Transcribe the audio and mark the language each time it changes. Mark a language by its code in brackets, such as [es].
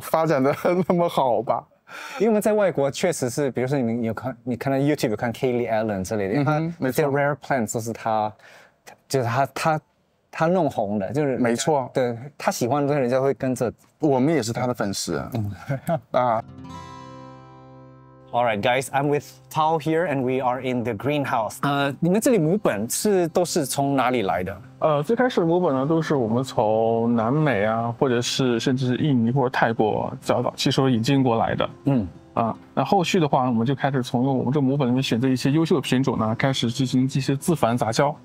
[zh] 发展的那么好吧。因为我们在外国确实是，比如说你看到 YouTube 看 Kelly Allen 这类的，嗯，这 Rare Plants 都是他，就是他弄红的，就是没错，对，他喜欢的东西，人家会跟着。我们也是他的粉丝，啊。 [en] All right, guys, I'm with Tao here, and we are in the greenhouse. [zh] 你们这里母本是都是从哪里来的？最开始母本呢，都是我们从南美啊，或者是甚至是印尼或者泰国早期时候引进过来的。嗯，啊，那后续的话，我们就开始从用我们这母本里面选择一些优秀的品种呢，开始进行这些自繁杂交。